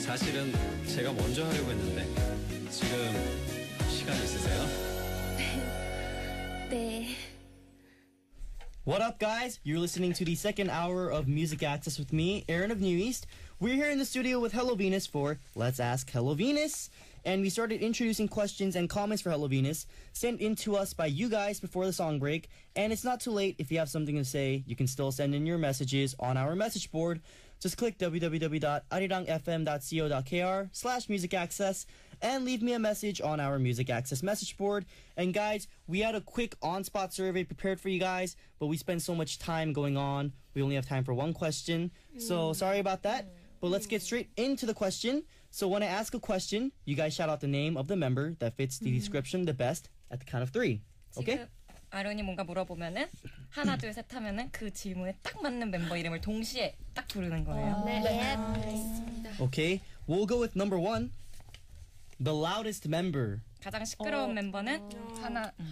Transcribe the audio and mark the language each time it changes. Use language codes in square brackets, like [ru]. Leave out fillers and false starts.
[ko] 사실은 제가 먼저 하려고 했는데 지금 시간 있으세요? 네. [en] What up, guys? You're listening to the second hour of Music Access with me, Aron of New East. We're here in the studio with Hello Venus for Let's Ask Hello Venus. And we started introducing questions and comments for Hello Venus sent in to us by you guys before the song break. And it's not too late. If you have something to say, you can still send in your messages on our message board. Just click www.arirangfm.co.kr/musicaccess and leave me a message on our Music Access message board. And guys, we had a quick on-spot survey prepared for you guys, but we spent so much time going on, we only have time for one question. So sorry about that, but let's get straight into the question. So when I ask a question, you guys shout out the name of the member that fits the description the best at the count of three. Okay? [ko] 아론이 뭔가 물어보면은 하나 둘 셋 하면은 그 질문에 딱 맞는 멤버 이름을 동시에 딱 부르는 거예요. 네. 네. 네. [en] 오케이. We'll go with number one. The loudest member. [ko] 가장 시끄러운 멤버는 하나.